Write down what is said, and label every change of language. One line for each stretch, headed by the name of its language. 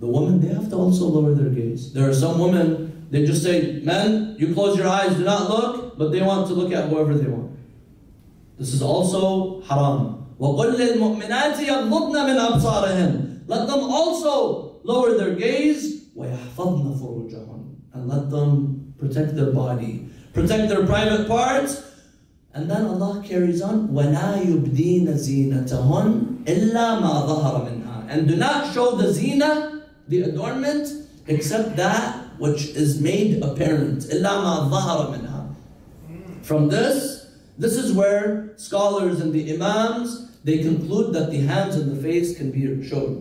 English: The woman, they have to also lower their gaze. There are some women, they just say, men, you close your eyes, do not look, but they want to look at whoever they want. This is also haram.
Arabic: وَقُلْ لِلْمُؤْمِنَاتِ يَغْضُضْنَ مِنْ أَبْصَارِهِمْ.
English: Let them also lower their gaze.
Arabic: وَيَحْفَظْنَ فُرُوجَهُمْ.
English: And let them protect their body, protect their private parts. And then Allah carries on,
Arabic: وَلَا يُبْدِينَ زِينَتَهُنْ إِلَّا مَا ظَهَرَ مِنْهَا.
English: And do not show the zina, the adornment, except that which is made apparent.
Arabic: إِلَّا مَا ظَهَرَ مِنْهَا.
English: From this is where scholars and the imams, they conclude that the hands and the face can be shown.